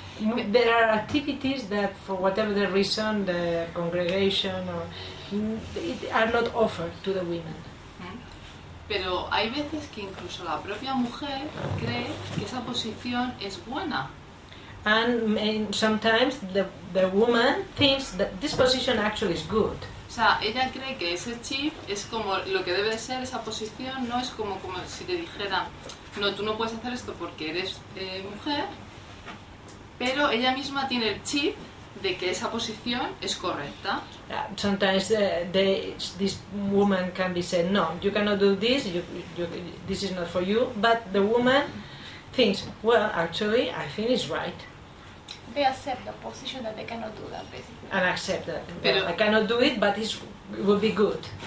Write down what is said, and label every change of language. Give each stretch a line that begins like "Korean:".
English: There are activities that, for whatever the reason, the congregation or it are not offered to the women.
Spanish: Pero hay veces que incluso la propia mujer cree que esa posición es buena.
English: And sometimes the woman thinks that this position actually is good.
Spanish: O sea, ella cree que ese chip es como lo que debe de ser esa posición, no es como si te dijera, no, tú no puedes hacer esto porque eres mujer, pero ella misma tiene el chip de que esa posición es correcta.
English: Sometimes this woman can be said, no, you cannot do this, this is not for you, but the woman thinks, well, actually, I think it's right. They accept the position that they cannot do that, basically. And accept that. Pero, well, I cannot do it, but it would be good.